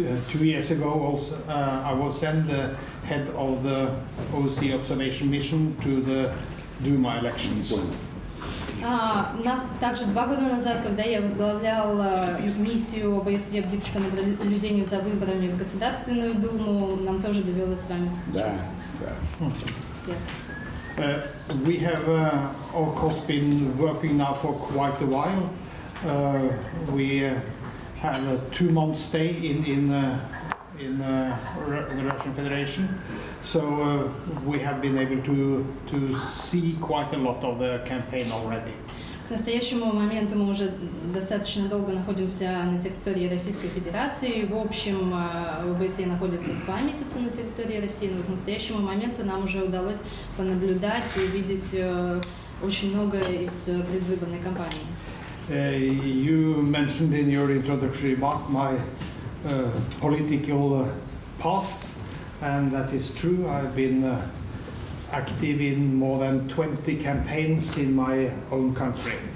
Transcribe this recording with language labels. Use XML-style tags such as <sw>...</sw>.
<en>Two years ago, also, I was sent the head of the OSCE observation mission to the Duma elections.</en> <ru>Нас также два года назад, когда я возглавлял миссию ОБСЕ в Дипчика на наблюдение за выборами в Государственную Думу, нам тоже довелось с вами. Да.</ru> <en>Yes. We have, of course, been working now for quite a while. We had a two-month stay in the Russian Federation. So we have been able to see quite a lot of the campaign already.</en> <ru>К настоящему моменту мы уже достаточно долго находимся на территории Российской Федерации. В общем, ВСЕ находится 2 месяца на территории России, но к настоящему моменту нам уже удалось понаблюдать и увидеть очень много из предвыборной кампании.</ru> <en>You mentioned in your introductory remark my political past, and that is true. I've been active in more than 20 campaigns in my own country.</en>